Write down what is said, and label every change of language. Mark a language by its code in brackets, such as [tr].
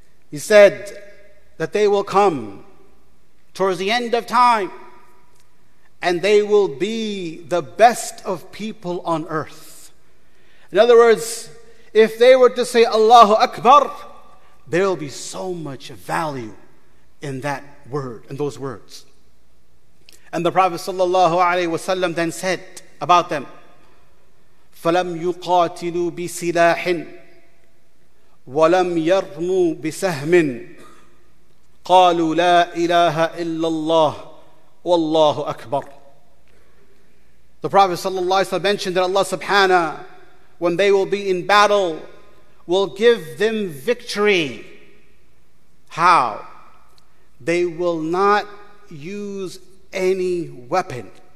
[en] He said that they will come towards the end of time and they will be the best of people on earth. In other words, if they were to say Allahu Akbar, there will be so much value in that word, in those words. And the Prophet sallallahu alaihi wasallam then said about them, [ar] فَلَمْ يُقَاتِلُوا بِسِلَاحٍ وَلَمْ يَرْمُوا بِسَهْمٍ قَالُوا لَا إِلَهَ إِلَّا اللَّهُ وَاللَّهُ أَكْبَرُ. [en] The Prophet sallallahu alaihi wasallam mentioned that Allah subhanahu, when they will be in battle, will give them victory. How? They will not use any weapon.